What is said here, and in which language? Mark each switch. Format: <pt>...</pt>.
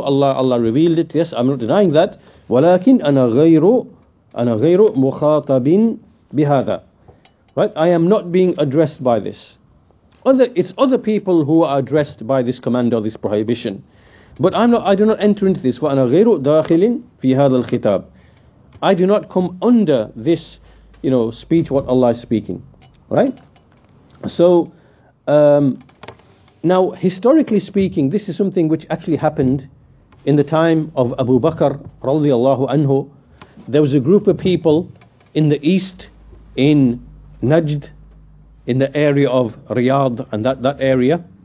<en>Allah revealed it. Yes, I'm not denying that.</en> <ar>ولكن أنا غير مخاطب بهذا.</ar> <en>Right? I am not being addressed by this. It's other people who are addressed by this command or this prohibition. But I do not enter into this.</en> <ar>وأنا غير داخل في هذا الخطاب.</ar> <en>I do not come under this, you know, speech what Allah is speaking. Right? So, now, historically speaking, this is something which actually happened in the time of Abu Bakr radiallahu anhu. There was a group of people in the east, in Najd, in the area of Riyadh and that area.</en>